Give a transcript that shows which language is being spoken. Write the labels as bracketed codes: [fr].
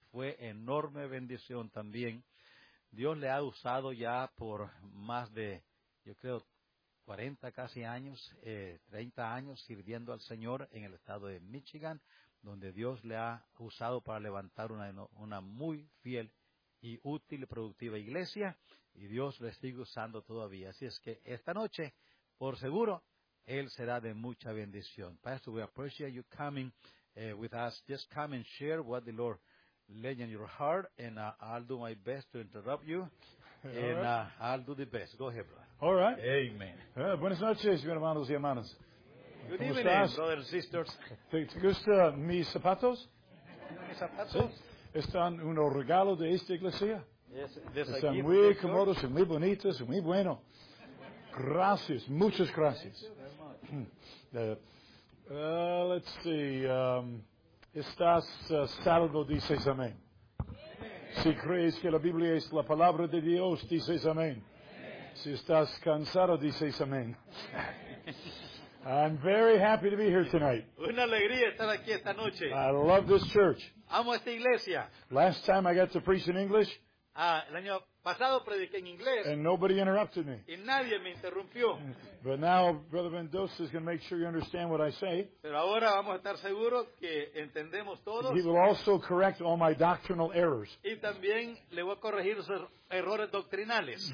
[es] fue enorme bendición también. Dios le ha usado ya por más de, yo creo, 40 casi años, 30 años sirviendo al Señor en el estado de Michigan, donde Dios le ha usado para levantar una muy fiel y útil y productiva iglesia, y Dios le sigue usando todavía. Así es que esta noche, por seguro, Él será de mucha bendición. [en] Pastor, we appreciate you coming with us. Just come and share what the Lord laid in your heart, and I'll do my best to interrupt you, and I'll do the best. Go ahead, brother. All right. Amen. [es] Buenas noches, hermanos y hermanas. [en] Good evening, brothers and sisters. [es] ¿Te gustan mis zapatos? ¿Mis zapatos? Están un regalo de esta iglesia. [en] Yes, [es] están muy cómodos y muy bonitos y muy buenos. Gracias, muchas gracias. [en] Let's see. [es] Estás salvo, dices amén. Si crees que la Biblia es la palabra de Dios, dices amén. Si estás cansado, dices amén. [en] I'm very happy to be here tonight. [es] Una alegría estar aquí esta noche. [en] I love this church. [es] Amo esta iglesia. [en] Last time I got to preach in English. [es] El año pasado prediqué en inglés. [en] And nobody interrupted me. [es] Y nadie me interrumpió. [en] But now Brother Mendoza is going to make sure you understand what I say. [es] Pero ahora vamos a estar seguros que entendemos todos. [en] He will also correct all my doctrinal errors. [es] Y también le voy a corregir sus errores doctrinales.